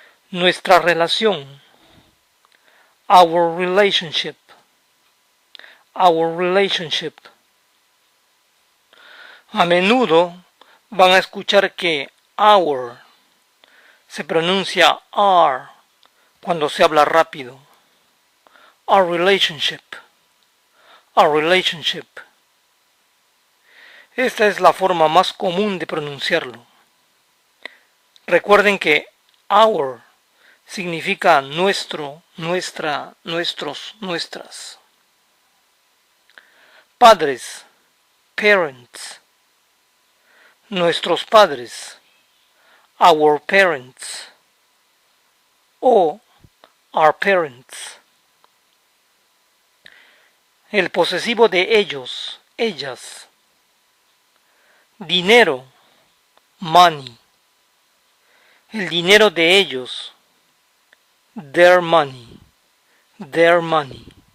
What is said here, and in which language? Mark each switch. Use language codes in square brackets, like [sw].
[es] Nuestra relación, [en] our relationship, our relationship. [es] A menudo van a escuchar que our se pronuncia R cuando se habla rápido. [en] Our relationship, our relationship. [es] Esta es la forma más común de pronunciarlo. Recuerden que our significa nuestro, nuestra, nuestros, nuestras. Padres, parents. Nuestros padres, [en] our parents. O our parents. [es] El posesivo de ellos, ellas. Dinero, money. El dinero de ellos, [en] their money, their money.